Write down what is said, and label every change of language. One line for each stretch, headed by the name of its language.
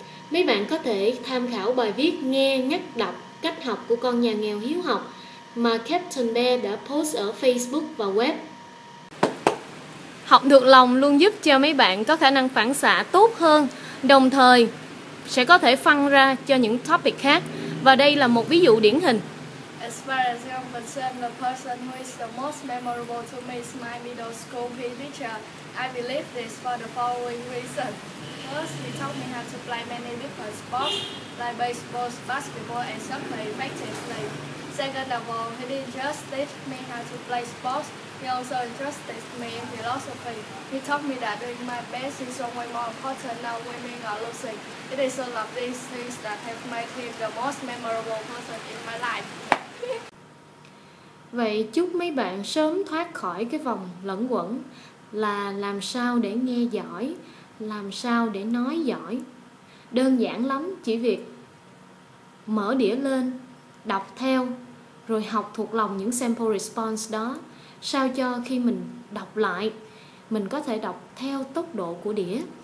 Vietnamese: Mấy bạn có thể tham khảo bài viết nghe nhắc đọc cách học của con nhà nghèo hiếu học mà Captain Bear đã post ở Facebook và web. Học thuộc lòng luôn giúp cho mấy bạn có khả năng phản xạ tốt hơn, đồng thời sẽ có thể phân ra cho những topic khác. Và đây là một ví dụ điển hình.
English: As far as I'm concerned, the person who is the most memorable to me is my middle school PE teacher. I believe this for the following reason. First, he taught me how to play many different sports like baseball, basketball, and soccer effectively. Second of all, he didn't just teach me how to play sports, he also interested me in philosophy. He taught me that doing my best is always more important than winning or losing. It is all of these things that have made him the most memorable person in my life.
Vietnamese: Vậy chúc mấy bạn sớm thoát khỏi cái vòng luẩn quẩn là làm sao để nghe giỏi, làm sao để nói giỏi. Đơn giản lắm, chỉ việc mở đĩa lên, đọc theo, rồi học thuộc lòng những sample response đó, sao cho khi mình đọc lại, mình có thể đọc theo tốc độ của đĩa.